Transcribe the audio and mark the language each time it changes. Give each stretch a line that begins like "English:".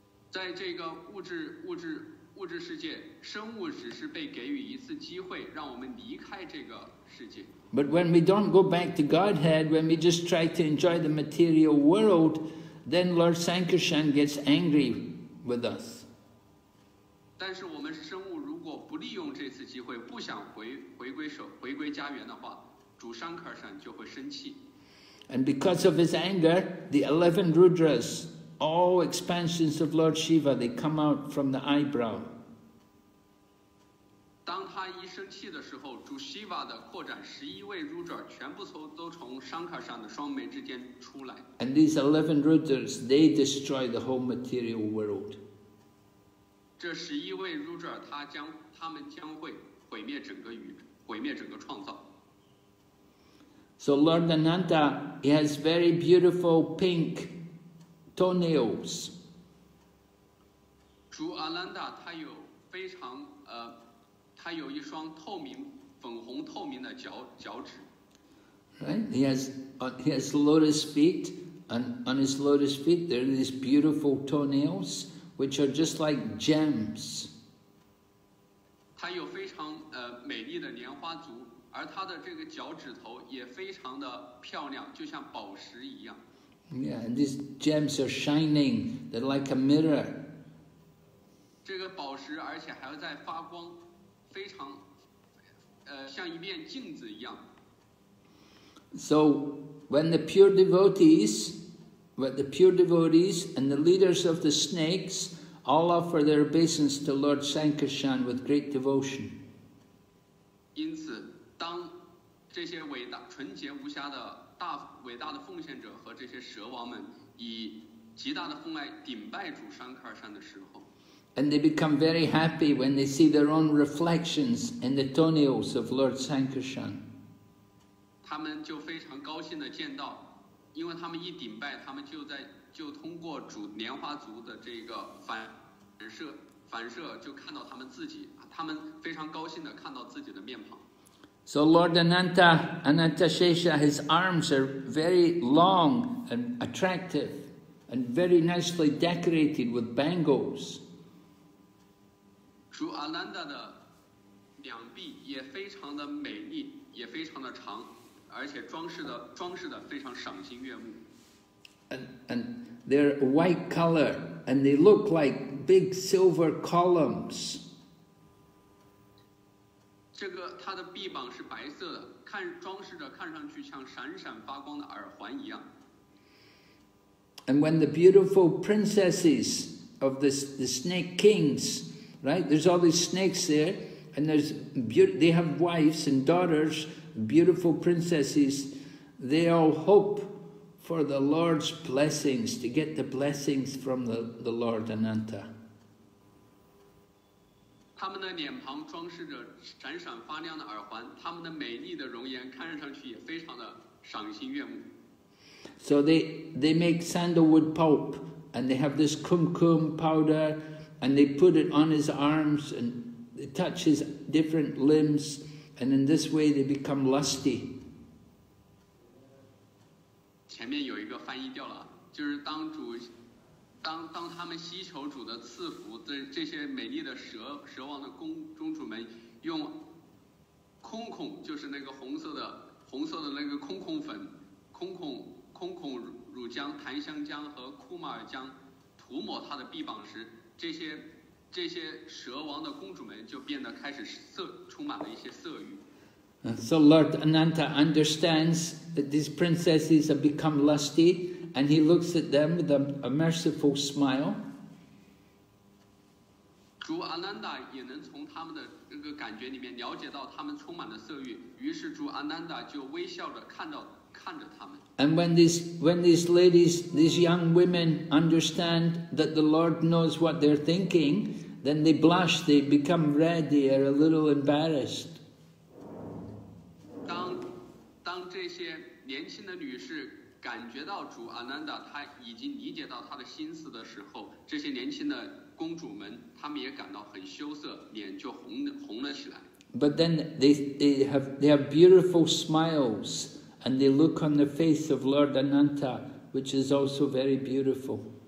Chinese: 在这个物质世界，生物只是被给予一次机会，让我们离开这个世界。
English: But when we don't go back to Godhead, when we just try to enjoy the material world, then Lord Sankarshan gets angry with us.
Chinese: 但是我们生物如果不利用这次机会，不想回归家园的话，主山卡山就会生气。
English: And because of his anger, the 11 Rudras, all expansions of Lord Shiva, they come out from the eyebrow.
Chinese: 当他一生气的时候，主 Shiva 的扩展十一位 Rudra 全部都从山卡山的双眉之间出来。
English: And these 11 Rudras, they destroy the whole material world.
Chinese: 这十一位 Rudra 他们将会毁灭整个宇宙，毁灭整个创造。
English: So Lord Ananta, he has very beautiful pink toenails.
Chinese: 主阿兰达他有非常他有一双透明粉红透明的脚趾。
English: Right, he has lotus feet, and on his lotus feet there are these beautiful toenails. Which are just like gems.
Chinese: 它有非常美丽的莲花足，而它的这个脚趾头也非常的漂亮，就像宝石一样。
English: Yeah, and these gems are shining. They're like a mirror.
Chinese: 这个宝石而且还在发光，非常像一面镜子一样。
English: So when the pure devotees. But the pure devotees and the leaders of the snakes all offer their obeisance to Lord Sankarshan with great devotion.
Chinese: 因此，当这些伟大、纯洁无瑕的大伟大的奉献者和这些蛇王们以极大的奉爱顶拜主山卡尔山的时候
English: ，and they become very happy when they see their own reflections in the toenails of Lord Sankarshan.
Chinese: 他们就非常高兴地见到。因为他们一顶拜，他们就通过主莲花足的这个反射，就看到他们自己，他们非常高兴的看到自己的面庞。
English: So Lord Ananta Shesha, his arms are very long and attractive, and very nicely decorated with bangles.
Chinese: 主阿兰达的两臂也非常的美丽，也非常的长。而且装饰的非常赏心悦目。
English: And they're white color, and they look like big silver columns.
Chinese: 这个它的臂膀是白色的，看上去像闪闪发光的耳环一样。
English: And when the beautiful princesses of the snake kings, right? There's all these snakes there, and they have wives and daughters. Beautiful princesses, they all hope for the Lord's blessings, to get the blessings from the Lord Ananta.
Chinese: 他们的脸庞装饰着闪闪发亮的耳环，他们的美丽的容颜看上去也非常的赏心悦目。
English: So they make sandalwood pulp, and they have this kumkum powder, and they put it on his arms and touch his different limbs, and in this way they become lusty.
Chinese: 前面有一个翻译掉了，就是当他们希求主的赐福，这些美丽的蛇王的宫主们用空孔，就是那个红色的那个空孔乳浆、檀香浆和库玛尔浆涂抹他的臂膀时，这些蛇王的公主们就变得开始充满了一些色欲。
English: So Lord Ananta understands that these princesses have become lusty, and he looks at them with a merciful smile.
Chinese: 主阿南达也能从他们的这个感觉里面了解到他们充满了色欲，于是主阿南达就微笑着看着他们。
English: And when these ladies, these young women understand that the Lord knows what they're thinking, then they blush, they become red, they are a little embarrassed.
Chinese: 当这些年轻的女士感觉到主阿南达他已经理解到他的心思的时候，这些年轻的公主们她们也感到很羞涩，脸就红了起来。
English: But then they have beautiful smiles. And they look on the face of Lord Ananta, which is also very beautiful.